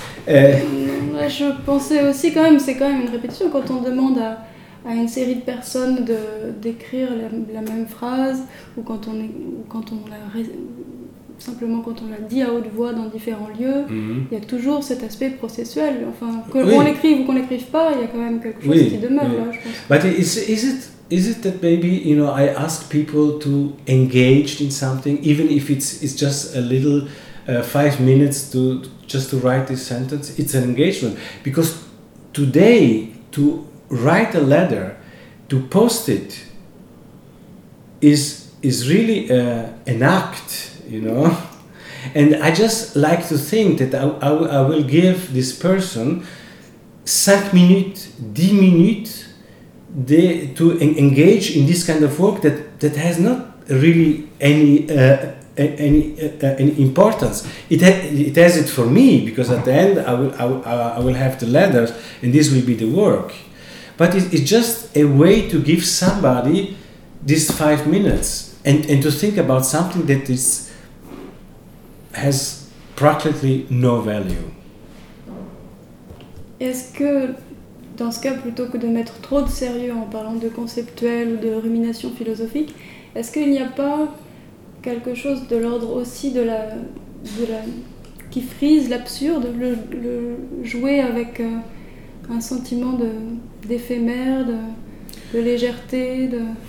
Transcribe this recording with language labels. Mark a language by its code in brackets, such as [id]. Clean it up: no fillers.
[fr] Je pensais aussi quand même, c'est quand même une répétition quand on demande à une série de personnes d'écrire la même phrase, ou quand on la dit à haute voix dans différents lieux, mm-hmm. Il y a toujours cet aspect processuel. Enfin, qu'on l'écrive ou qu'on l'écrive pas, il y a quand même quelque chose qui demeure. Oui. Là, je pense. [en] But is it that maybe, you know, I ask people to engage in something, even if it's just a little 5 minutes to just to write this sentence? It's an engagement, because today to write a letter, to post it, is really an act, you know. And I just like to think that I will give this person 5 minutes, 10 minutes to engage in this kind of work that has not really any importance. It has it for me, because at the end I will have the letters and this will be the work. But it's just a way to give somebody these 5 minutes and to think about something that has practically no value. [fr] Est-ce que, dans ce cas, plutôt que de mettre trop de sérieux en parlant de conceptuel ou de rumination philosophique, est-ce qu'il n'y a pas quelque chose de l'ordre aussi de la qui frise l'absurde, le jouer avec un sentiment d'éphémère, de légèreté, de...